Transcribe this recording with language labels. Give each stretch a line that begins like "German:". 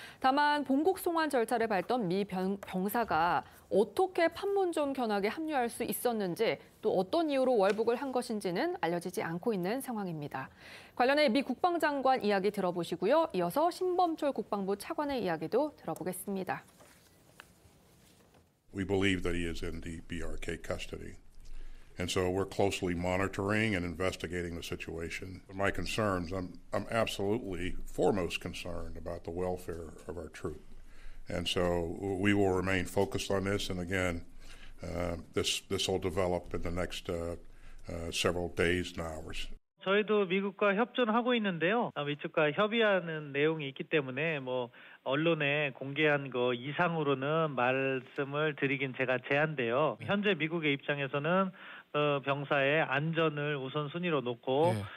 Korean: 다만 본국 송환 절차를 밟던 미 병사가 어떻게 판문점 견학에 합류할 수 있었는지 또 어떤 이유로 월북을 한 것인지는 알려지지 않고 있는 상황입니다. 관련해 미 국방장관 이야기 들어보시고요. 이어서 신범철 국방부 차관의 이야기도 들어보겠습니다.
English: We believe that he is in the BRK custody. And so we're closely monitoring and investigating the situation. My concerns, I'm absolutely foremost concerned about the welfare of our troops. And so we will remain focused on this. And again, this will develop in the next several days and hours.
Korean: 저희도 미국과 협조는 하고 있는데요. 미측과 협의하는 내용이 있기 때문에 뭐 언론에 공개한 거 이상으로는 말씀을 드리긴 제가 제한돼요. 현재 미국의 입장에서는 병사의 안전을 우선순위로 놓고